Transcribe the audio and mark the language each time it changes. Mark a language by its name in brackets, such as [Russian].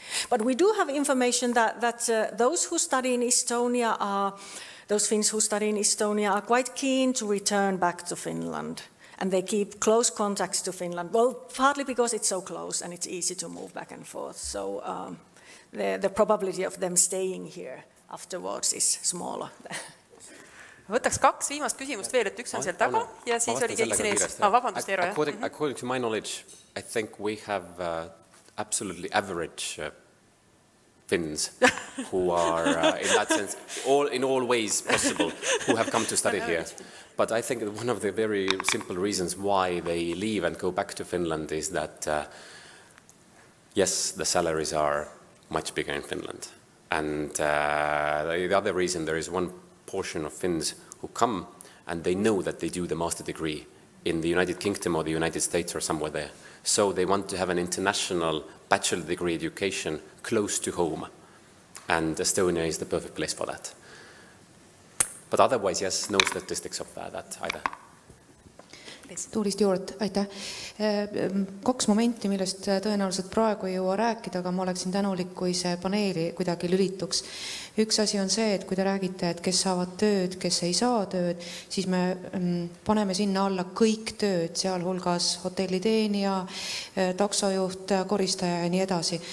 [English] But we do have information those Finns who study in Estonia are quite keen to return back to Finland. And they keep close contacts to Finland, well, partly because it's so close and it's easy to move back and forth. So the probability of them staying here afterwards is smaller. [Estonian] Võtaks kaks viimast küsimust veel, et üks on seal taga ja siis oli keegi siin ees. Vabandust, Eero. [English] According to my knowledge, I think we have absolutely average Finns who are in that sense, in all ways possible, who have come to study here. But I think one of the very simple reasons why they leave and go back to Finland is that yes, the salaries are much bigger in Finland. And the other reason, there is one portion of Finns who come and they know that they do the master degree in the United Kingdom or the United States or somewhere there. So they want to have an international bachelor degree education close to home. And Estonia is the perfect place for that. But otherwise, yes, no statistics of that either. [Estonian] Tuulist juurde, aitäh. Kaks momenti, millest tõenäoliselt praegu ei jõua rääkida, aga ma oleksin tänulik, kui see paneeli kuidagi lülituks. Üks asi on see, et kui te räägite, et kes saavad tööd, kes ei saa tööd, siis me paneme sinna alla kõik tööd, seal hulgas hotelliteenija, taksojuht, koristaja ja nii edasi.